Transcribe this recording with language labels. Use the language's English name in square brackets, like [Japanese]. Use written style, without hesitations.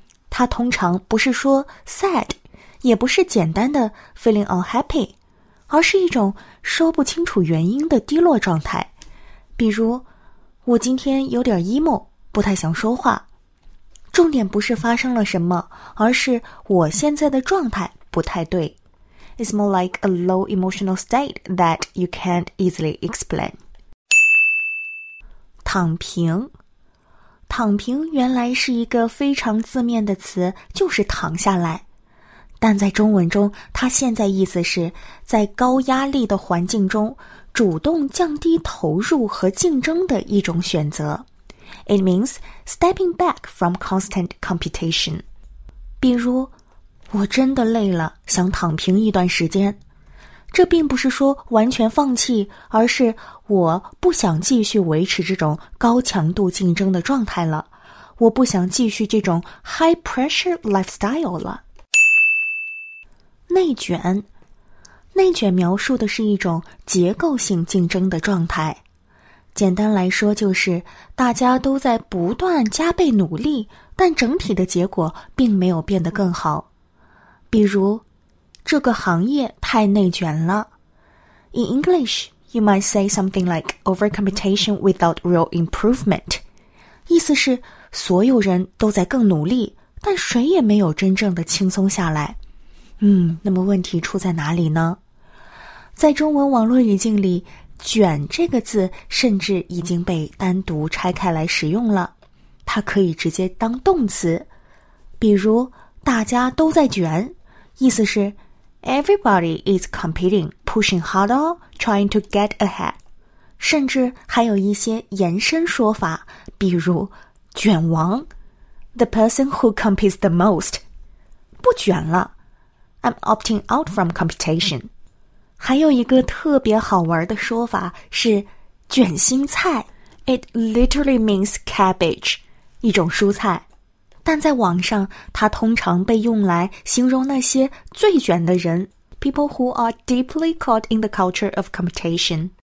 [Chinese] 它通常不是说 sad， 也不是简单的 [English] feeling unhappy， [Chinese] 而是一种说不清楚原因的低落状态。比如我今天有点 emo， 不太想说话。重点不是发生了什么，而是我现在的状态不太对。 [English] It's more like a low emotional state that you can't easily explain. [Chinese] 躺平。躺平原来是一个非常字面的词，就是躺下来。但在中文中，它现在意思是在高压力的环境中主动降低投入和竞争的一种选择。 [English] It means stepping back from constant competition. [Chinese] 比如我真的累了，想躺平一段时间。这并不是说完全放弃，而是我不想继续维持这种高强度竞争的状态了，我不想继续这种 [English] high pressure lifestyle [Chinese] 了。内卷，内卷描述的是一种结构性竞争的状态。简单来说，就是大家都在不断加倍努力，但整体的结果并没有变得更好。比如，这个行业太内卷了。 [English] In English, You might say something like overcompensation without real improvement. [Chinese] 意思是所有人都在更努力，但谁也没有真正的轻松下来。那么问题出在哪里呢？在中文网络语境里，卷这个字甚至已经被单独拆开来使用了，它可以直接当动词，比如大家都在卷，意思是 [English] Everybody is competing, pushing hard, trying to get ahead。 [Chinese] 甚至还有一些延伸说法，比如卷王， [English] The person who competes the most， [Chinese] 不卷了， [English] I'm opting out from competition。 [Chinese] 还有一个特别好玩的说法是卷心菜， [English] It literally means cabbage， [Chinese] 一种蔬菜，但在网上它通常被用来形容那些最卷的人， [English] People who are deeply caught in the culture of competition。